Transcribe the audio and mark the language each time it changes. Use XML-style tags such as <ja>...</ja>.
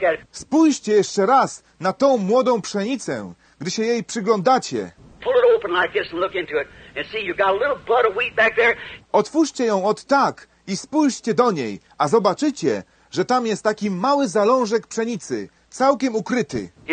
<pl>Spójrzcie jeszcze raz na tą młodą pszenicę, gdy się jej przyglądacie.</pl> <en>Pull it open like this and look into it and see you got a little bud of wheat back there.</en> <pl>Otwórzcie ją od tak. I spójrzcie do niej, a zobaczycie, że tam jest taki mały zalążek pszenicy, całkiem ukryty.</pl>